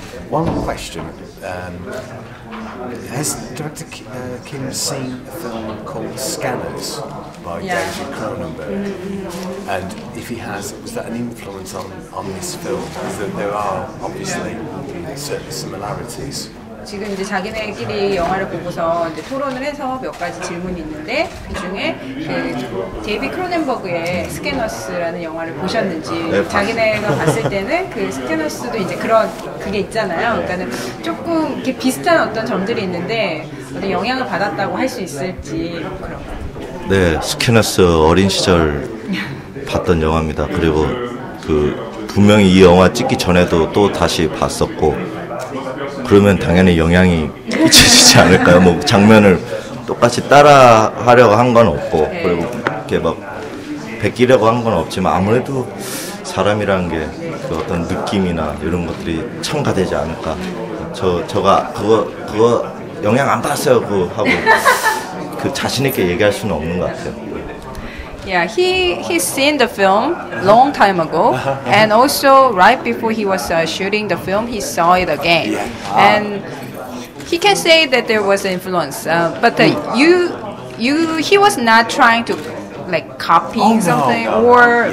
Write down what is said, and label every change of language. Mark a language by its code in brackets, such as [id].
[en] One question, has Director Kim seen a film called Scanners by David Cronenberg? And if he has, was that an influence on this film? Because there are obviously certain similarities. [ko] 지금 이제 자기네끼리 영화를 보고서 이제 토론을 해서 몇 가지 질문이 있는데 그 중에 데이비 크로넨버그의 스캐너스라는 영화를 보셨는지 자기네가 봤을 때는 그 스캐너스도 이제 그런 그게 있잖아요. 그러니까는 조금 이렇게 비슷한 어떤 점들이 있는데 어떤 영향을 받았다고 할 수 있을지 그런 거. 네, 스캐너스 어린 시절 봤던 영화입니다. 그리고 그 분명히 이 영화 찍기 전에도 또 다시 봤었고. 그러면 당연히 영향이 끼쳐지지 않을까요? 뭐 장면을 똑같이 따라 하려고 한 건 없고 그리고 이렇게 막 베끼려고 한 건 없지만 아무래도 사람이라는 게 그 어떤 느낌이나 이런 것들이 첨가되지 않을까. 제가 그거 영향 안 받았어요 그거 하고 그 자신 있게 얘기할 수는 없는 것 같아요. [en] Yeah, he seen the film long time ago, and also right before he was shooting the film, he saw it again, and he can say that there was influence. But he was not trying to like copying something or.